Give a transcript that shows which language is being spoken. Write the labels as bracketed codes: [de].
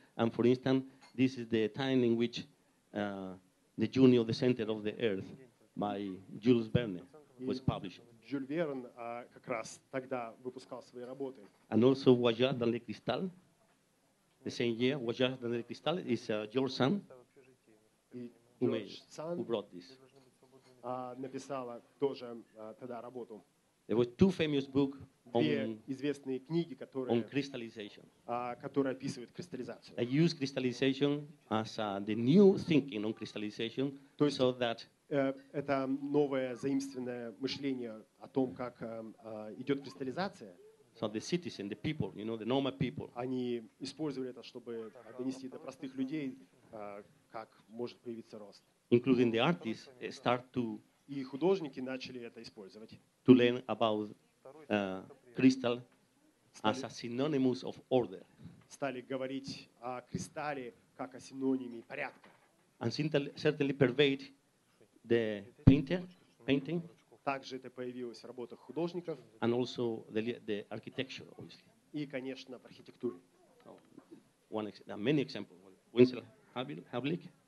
[en] And for instance, this is the time in which the journey of the center of the earth by Jules Verne was published. [ru] Жюль Верн как раз тогда выпускал свои работы. [en] And also Voyage dans le Cristal. The same year, Voyage dans le Cristal is George Sand. George Sand who brought this. [ru] Написала тоже тогда работу. [en] There were two famous books on, [ru] две известные книги, которые, [en] on crystallization. [ru] Которые описывают кристаллизацию. [en] They use crystallization as the new thinking on crystallization [ru] то есть, [en] so that [ru] это новое заимствованное мышление о том, как идет кристаллизация. [en] So the citizen, the people, you know, the normal people. [ru] Они использовали это, чтобы донести до простых людей, как может появиться рост. [en] Including the artists, start to. [ru] И художники начали это использовать. [en] To learn about crystal as a synonymous of order. [ru] Стали говорить о кристалле как о синониме порядка. [en] And certainly pervade. The painter, painting. [ru] Также это появилось в работах художников. [en] And also the architecture, obviously. [ru] И, конечно, в архитектуре. [en] Oh, one there are many examples. Winsel Hablik.